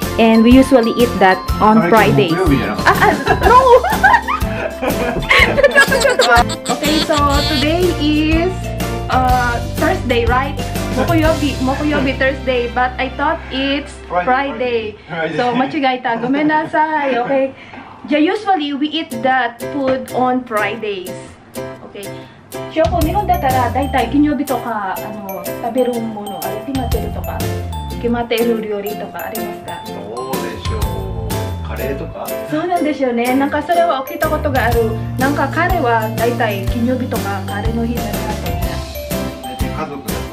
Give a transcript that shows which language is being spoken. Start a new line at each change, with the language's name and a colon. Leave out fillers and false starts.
English: And we usually eat that on Fridays.
Japanese: あれ、木曜日じゃなかった。
English: No!
Japanese: ちょっと待って。
English: Okay, so today is Thursday, right?
Japanese: 木曜日
English: Thursday, but I thought it's Friday.
Japanese: So 間違えた、ごめんなさい。
English: Okay, じゃあ usually we eat that food on Fridays. Okay.
Japanese: ショコ、日本だったらだいたい金曜日とか、あの、食べるもの、あれ決まってるとか、決まってる料理とかありますか。どうでしょう、カレーとか。そうなんですよね、なんかそれは聞いたことがある。なんか彼はだいたい金曜日とかカレーの日だなと思った。